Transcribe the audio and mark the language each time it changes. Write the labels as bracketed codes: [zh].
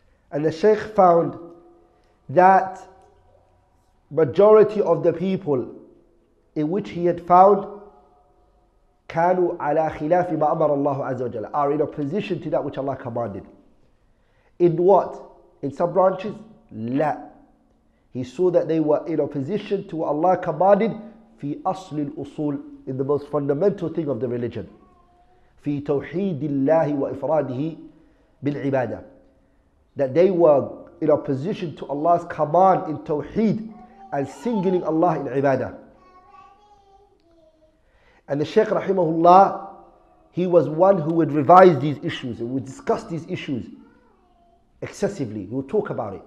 [en] And the Shaykh found that majority of the people in which he had found [ar] كانوا على خلاف ما أمر الله عز وجل, [en] are in opposition to that which Allah commanded. In what? In some branches? [ar] لا. [en] He saw that they were in opposition to what Allah commanded [ar] في أصل الأصول, [en] in the most fundamental thing of the religion. [ar] في توحيد الله وإفراده بالعبادة. [en] That they were in opposition to Allah's command in Tawheed and singling Allah in Ibadah. And the Shaykh rahimahullah, he was one who would revise these issues and would discuss these issues excessively. He would talk about it.